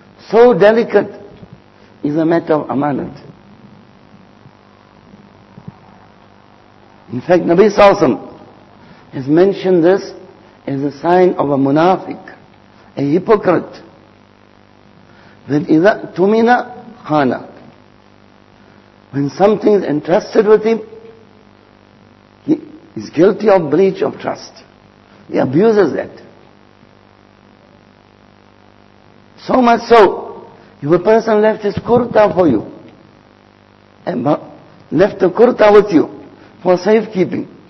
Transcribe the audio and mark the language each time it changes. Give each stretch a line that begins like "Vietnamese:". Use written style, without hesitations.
English: So delicate is a matter of amanat. In fact, Nabi Sallallahu Alaihi Wasallam has mentioned this as a sign of a munafiq, a hypocrite.
Arabic: That إِذَا تُمِنَ خَانَ.
English: When something is entrusted with him, he is guilty of breach of trust. He abuses that. So much so, if a person left his kurta for you, and left the kurta with you, for safekeeping.